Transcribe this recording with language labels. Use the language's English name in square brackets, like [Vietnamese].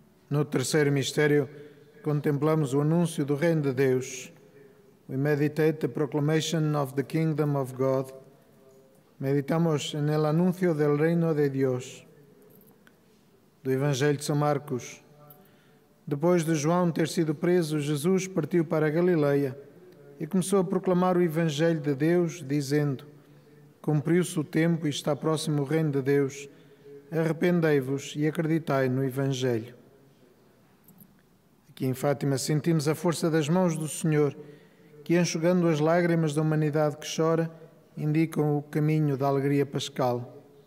[Portuguese] No terceiro mistério, contemplamos o anúncio do Reino de Deus. [English] We meditate the proclamation of the Kingdom of God. [Spanish] Meditamos en el anuncio del Reino de Dios. [Portuguese] Do Evangelho de São Marcos. Depois de João ter sido preso, Jesus partiu para a Galileia e começou a proclamar o Evangelho de Deus, dizendo: cumpriu-se o tempo e está próximo o Reino de Deus. Arrependei-vos e acreditai no Evangelho. Aqui em Fátima sentimos a força das mãos do Senhor, que enxugando as lágrimas da humanidade que chora, indicam o caminho da alegria pascal.